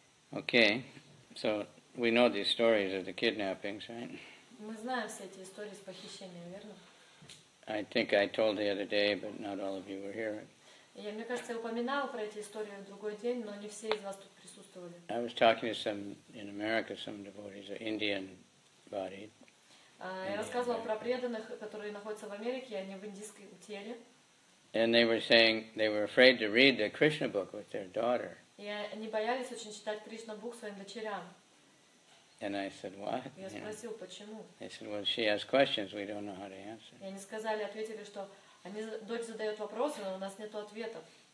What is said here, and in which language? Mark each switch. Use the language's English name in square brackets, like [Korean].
[English] Okay, so we know these stories of the kidnappings, right? [Russian] Мы знаем все эти истории с похищением, верно? [English] I think I told the other day, but not all of you were here. [Russian] Я, мне кажется, я упоминала про эти истории в другой день, но не все из вас тут присутствовали. [English] I was talking to some in America, some devotees, Indian body. [Russian] Я рассказывала про преданных, которые находятся в Америке, они в индийском теле. [English] And they were saying they were afraid to read the Krishna book with their daughter. [Russian] И они боялись очень читать Кришна бук своим дочерям. [English] And I said, what? [Russian] Я спросил, почему? [English] They said, well, she has questions, we don't know how to answer. [Russian] И они сказали, ответили, что дочь задает вопросы, но у нас нет ответов.